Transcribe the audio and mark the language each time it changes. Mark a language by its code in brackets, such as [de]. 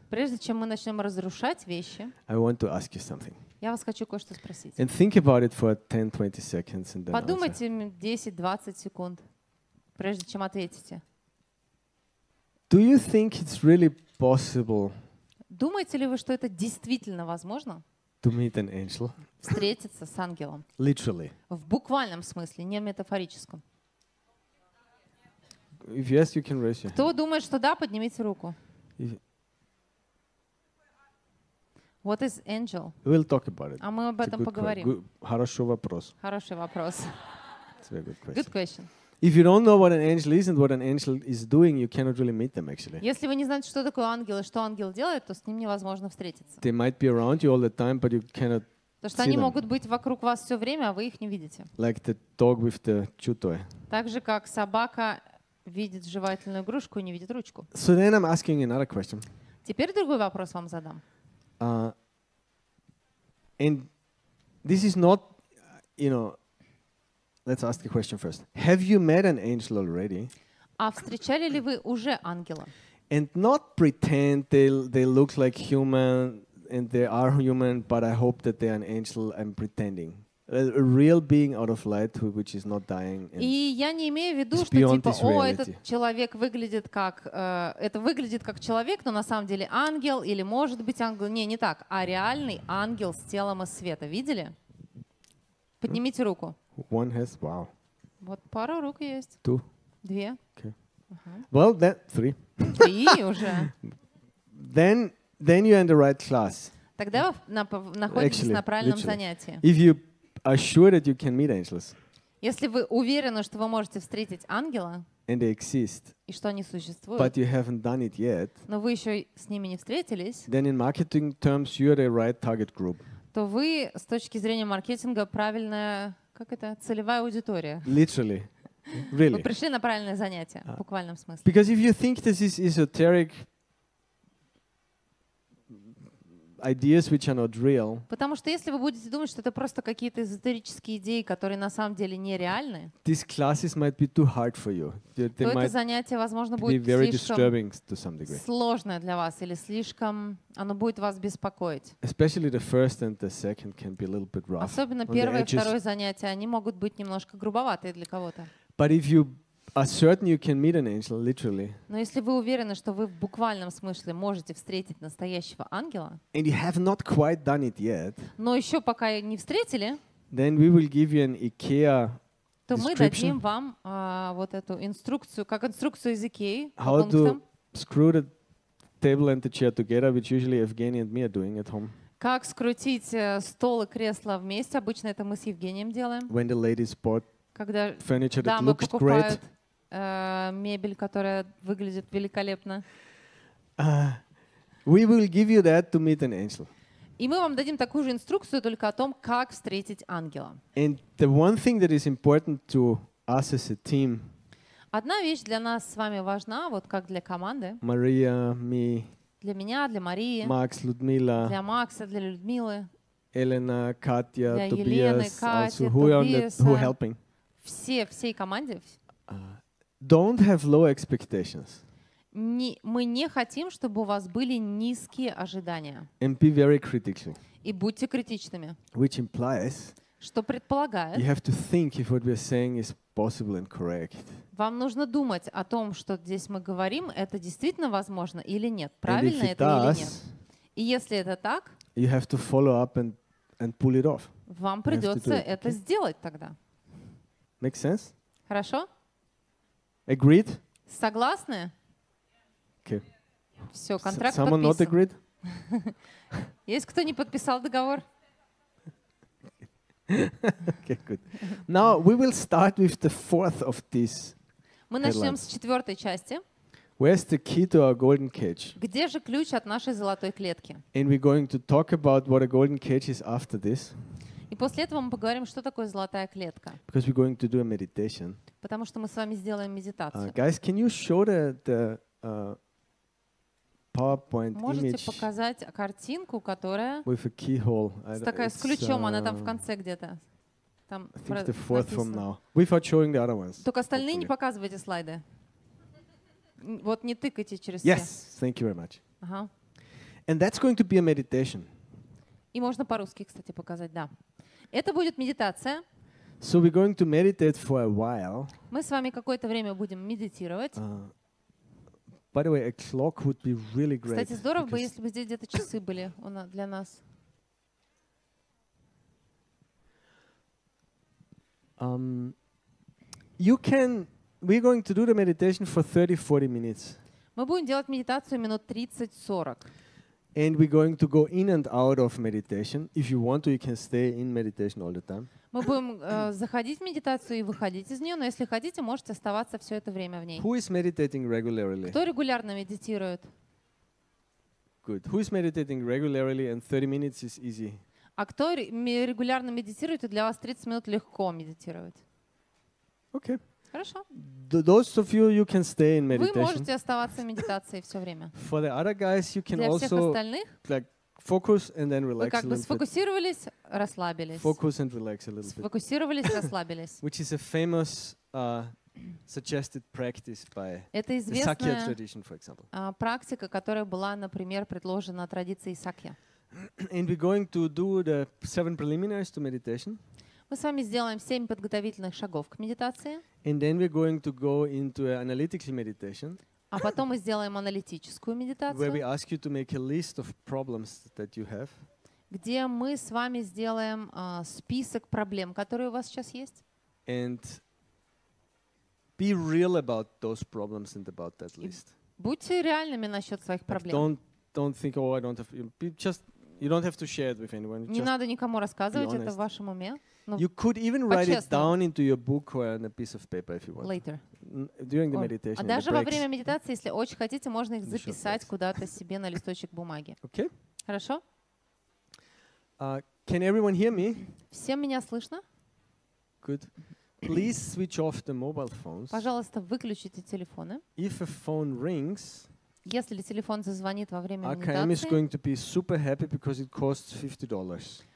[ru] Прежде чем мы начнем разрушать вещи. [en] I want to ask you something. [ru] Я вас хочу кое-что спросить. [en] And think about it for 10-20 seconds and then [ru] Подумайте 10-20 секунд, прежде чем ответите. [en] Do you think it's really possible? [ru] Думаете ли вы, что это действительно возможно? [en] To meet an angel. [ru] Встретиться с ангелом. [en] Literally. [ru] В буквальном смысле, не метафорическом. [en] If yes, you can raise your hand. [ru] Кто думает, что да, поднимите руку. [en] What is angel? We'll talk about it. [ru] А мы об этом поговорим. Хороший вопрос. Хороший вопрос. [en] It's a very good question. Good question. If you don't know what an angel is and what an angel is doing, you cannot really meet them actually. [ru] Если вы не знаете, что такое ангел и что ангел делает, то с ним невозможно встретиться. [en] They might be around you all the time, but you cannot see them. [ru] То что они могут быть вокруг вас все время, а вы их не видите. [en] Like the dog with the chew toy. [ru] Так же как собака видит жевательную игрушку и не видит ручку. [en] So then I'm asking another question. [ru] Теперь другой вопрос вам задам. [en] And this is not, you know, let's ask the question first. Have you met an angel already? [ru] А встречали ли вы уже ангела? [en] And not pretend they look like human and they are human, but I hope that they are an angel. I'm pretending. A real being out of light, which is not dying. [ru] И я не имею в виду, что типа, о, этот человек выглядит как, это выглядит как человек, но на самом деле ангел или может быть ангел. Не, не так, а реальный ангел с телом из света. Видели? Поднимите руку. [en] One has, wow. [ru] Вот пара рук есть. [en] Two. [ru] Две. [en] Okay. Uh-huh. Well, then three. [ru] Три уже. [en] Then you're in the right class. [ru] Тогда вы находитесь [en] Actually, [ru] на правильном [en] literally. [ru] Занятии. [en] If you Assure that you can meet angels. [ru] Если вы уверены, что вы можете встретить ангела, [en] and they exist, [ru] и что они существуют, [en] but you haven't done it yet, [ru] но вы еще с ними не встретились, [en] then in marketing terms you are the right target group. [ru] То вы с точки зрения маркетинга правильная, как это, целевая аудитория. [en] Literally. Really. [ru] Вы пришли на правильное занятие, в буквальном смысле. [en] Because if you think this is esoteric Ideas which are not real. [ru] Потому что если вы будете думать, что это просто какие-то эзотерические идеи, которые на самом деле нереальны, [en] These classes might be too hard for you. [ru] То это занятие, возможно, будет [en] very [ru] слишком сложное для вас или слишком, оно будет вас беспокоить. [en] Especially the first and the second can be a little bit rough. [ru] Особенно первое и второе занятия, они могут быть немножко грубоватые для кого-то. [en] But if you are certain you can meet an angel, literally. [ru] Но если вы уверены, что вы в буквальном смысле можете встретить настоящего ангела, [en] and you have not quite done it yet, [ru] но еще пока не встретили, [en] then we will give you an IKEA [ru] то мы дадим вам вот эту инструкцию, как инструкцию из IKEA. [en] How to screw the table and the chair together, which usually Evgeny and me are doing at home. [ru] Как скрутить стол и кресло вместе? Обычно это мы с Евгением делаем. [en] When the ladies bought [ru] Когда [en] furniture that [ru] дамы [en] looks [ru] покупают [en] great. [ru] Мебель, которая выглядит великолепно. [en] We will give you that to meet an angel. [ru] И мы вам дадим такую же инструкцию, только о том, как встретить ангела. [en] And the one thing that is important to us as a team. [ru] Одна вещь для нас с вами важна, вот как для команды. [en] Мария, me. [ru] Для меня, для Марии. Макс, Людмила. Для Макса, для Людмилы. Елена, Катя, Тобиас, [en] also who helping. [ru] Всей команде. [en] Don't have low expectations. [ru] Мы не хотим, чтобы у вас были низкие ожидания. [en] And be very critical. [ru] И будьте критичными. [en] Which implies. [ru] Что предполагает. [en] You have to think if what we're saying is possible and correct. [ru] Вам нужно думать о том, что здесь мы говорим, это действительно возможно или нет, правильно это или нет. И если это так. [en] You have to follow up and pull it off. [ru] Вам придется это сделать тогда. [en] Make sense? [ru] Хорошо? [en] Agreed? [ru] Согласны? [en] Okay. [ru] Все, контракт [en] Someone [ru] подписан. [en] Not agreed? [ru] Есть кто не подписал договор? [en] Okay, good. Now we will start with the fourth of these [ru] Мы начнем с четвертой части. [en] Where's the key to our golden cage? [ru] Где же ключ от нашей золотой клетки? [en] And we're going to talk about what a golden cage is after this. [ru] И после этого мы поговорим, что такое золотая клетка. [en] Because we're going to do a meditation. [ru] Потому что мы с вами сделаем медитацию. [en] Guys, can you show the PowerPoint [ru] Можете [en] image? [ru] Можете показать картинку, которая [en] with a keyhole. [ru] Такая с ключом, она там в конце где-то. Там [en] I think it's the fourth from now. Without showing the other ones. [ru] Только остальные [en] hopefully. [ru] Не показывайте слайды. Вот не тыкайте через все. [en] Yes, thank you very much. And that's going to be a meditation. [ru] И можно по-русски, кстати, показать, да. Это будет медитация. [en] So we're going to meditate for a while. [ru] Мы с вами какое-то время будем медитировать. [en] By the way, a clock would be really great. [ru] Кстати, здорово бы, если бы здесь где-то часы были для нас. [en] You can. We're going to do the meditation for 30-40 minutes. [ru] Мы будем делать медитацию минут 30-40. [en] And we're going to go in and out of meditation. If you want to, you can stay in meditation all the time. [ru] Мы будем заходить в медитацию и выходить из нее, но если хотите, можете оставаться все это время в ней. [en] Who is meditating regularly? [ru] Кто регулярно медитирует? [en] Good. Who is meditating regularly and 30 minutes is easy? [ru] А кто регулярно медитирует, и для вас 30 минут легко медитировать? [en] Okay. [ru] Хорошо. [en] Those of you, you can stay in meditation. [ru] Вы можете оставаться в медитации все время. [en] For the other guys, you can [ru] для [en] also [ru] всех остальных? [en] Like, focus and then relax [ru] Вы как бы сфокусировались, [en] bit. [ru] Расслабились. [en] Focus and relax a little [ru] сфокусировались, [en] bit. [ru] Расслабились. [en] Which is a famous suggested practice by the Sakya tradition, for example. [ru] Это известная практика, которая была, например, предложена традицией Сакья. [en] And we're going to do the seven preliminaries to meditation. [ru] Мы с вами сделаем 7 подготовительных шагов к медитации. [en] And then we're going to go into an analytical meditation. [ru] А потом мы сделаем аналитическую медитацию. [en] Where we ask you to make a list of problems that you have. [ru] Где мы с вами сделаем список проблем, которые у вас сейчас есть. [en] And be real about those problems and about that list. [ru] Будьте реальными насчет своих проблем. [en] Like don't think, oh, I don't have. Just you don't have to share it with anyone. [ru] Не надо никому рассказывать это в вашем уме. [en] You could even write it down into your book or on a piece of paper if you want. Later. During the meditation. [ru] А даже во время медитации, если очень хотите, можно их записать куда-то себе на листочек бумаги. [en] Okay. [ru] Хорошо? [en] Can everyone hear me? [ru] Всем меня слышно? [en] Good. Please switch off the mobile phones. [ru] Пожалуйста, выключите телефоны. [en] If a phone rings, [ru] если телефон зазвонит во время медитации, [en] AKM is going to be super happy because it costs $50.